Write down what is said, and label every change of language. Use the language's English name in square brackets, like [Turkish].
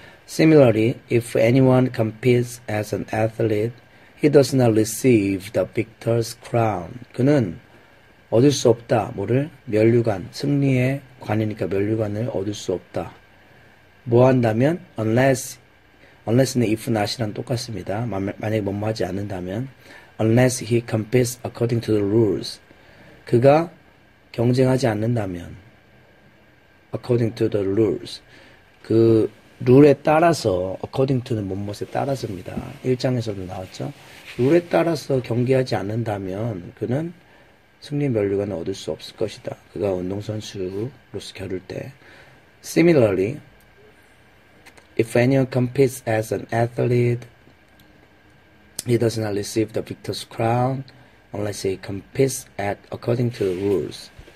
[English] Similarly, if anyone competes as an athlete, he does not receive the victor's crown. [Korean] 그는 얻을 수 없다. 뭐를? 면류관. 승리의 관이니까 면류관을 얻을 수 없다. 뭐 한다면? Unless는 [English] if not [Korean] 이랑 똑같습니다. 만약에 뭐뭐 하지 않는다면. [English] Unless he competes according to the rules. [Korean] 그가 경쟁하지 않는다면. [English] According to the rules. [Korean] 그 룰에 따라서, according to는 뭣뭣에 따라서입니다. 1장에서도 나왔죠. 룰에 따라서 경기하지 않는다면 그는 승리 면류관을 얻을 수 없을 것이다. 그가 운동선수로서 겨룰 때. [English] Similarly, if anyone competes as an athlete, he does not receive the victor's crown unless he competes at according to the rules.